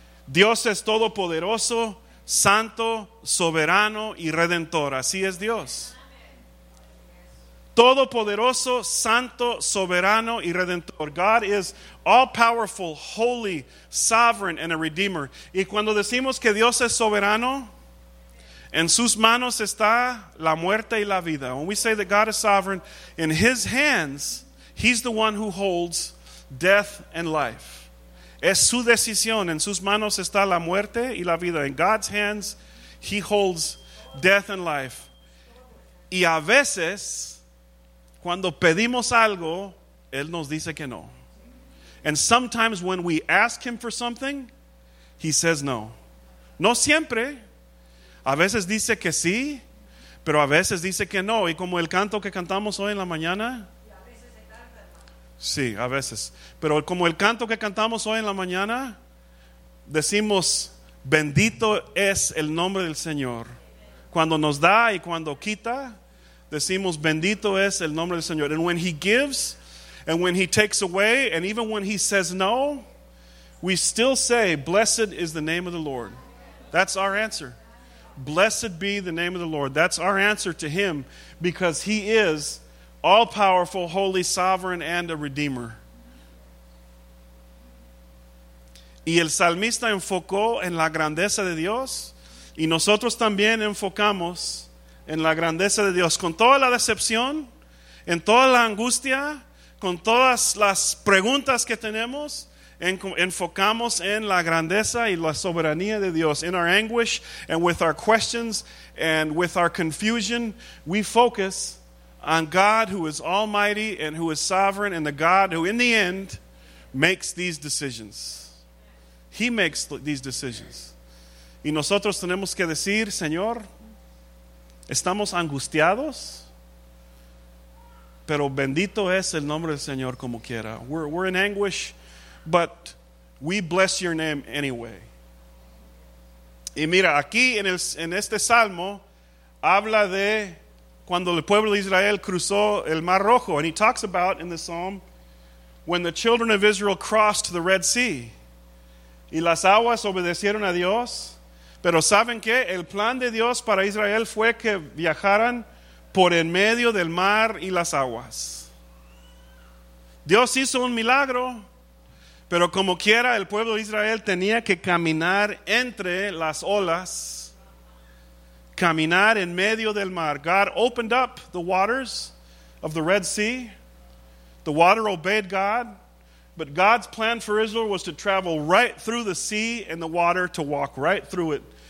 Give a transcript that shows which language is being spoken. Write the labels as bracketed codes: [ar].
[es] Dios es todopoderoso, santo, soberano y redentor. Así es Dios. Todopoderoso, santo, soberano, y redentor. [en] God is all-powerful, holy, sovereign, and a redeemer. [es] Y cuando decimos que Dios es soberano, en sus manos está la muerte y la vida. [en] When we say that God is sovereign, in His hands, He's the one who holds death and life. [es] Es su decisión. En sus manos está la muerte y la vida. [en] In God's hands, He holds death and life. [es] Y a veces, cuando pedimos algo, Él nos dice que no. [en] And sometimes when we ask Him for something, He says no. [es] No siempre. A veces dice que sí, pero a veces dice que no. Y como el canto que cantamos hoy en la mañana. Sí, a veces. Pero como el canto que cantamos hoy en la mañana, decimos, bendito es el nombre del Señor. Cuando nos da y cuando quita, decimos, bendito es el nombre del Señor. [en] And when He gives, and when He takes away, and even when He says no, we still say, blessed is the name of the Lord. That's our answer. Blessed be the name of the Lord. That's our answer to Him, because He is all-powerful, holy, sovereign, and a redeemer. [es] Y el salmista enfocó en la grandeza de Dios, y nosotros también enfocamos en la grandeza de Dios, con toda la decepción, en toda la angustia, con todas las preguntas que tenemos, enfocamos en la grandeza y la soberanía de Dios. [en] In our anguish and with our questions and with our confusion, we focus on God who is almighty and who is sovereign and the God who in the end makes these decisions. He makes these decisions. [es] Y nosotros tenemos que decir, Señor, estamos angustiados, pero bendito es el nombre del Señor como quiera. [en] We're in anguish, but we bless your name anyway. [es] Y mira, aquí en este salmo habla de cuando el pueblo de Israel cruzó el Mar Rojo. [en] And he talks about in the psalm when the children of Israel crossed the Red Sea. [es] Y las aguas obedecieron a Dios. Pero ¿saben qué? El plan de Dios para Israel fue que viajaran por en medio del mar y las aguas. Dios hizo un milagro, pero como quiera el pueblo de Israel tenía que caminar entre las olas, caminar en medio del mar. [en] God opened up the waters of the Red Sea. The water obeyed God, but God's plan for Israel was to travel right through the sea and the water, to walk right through it.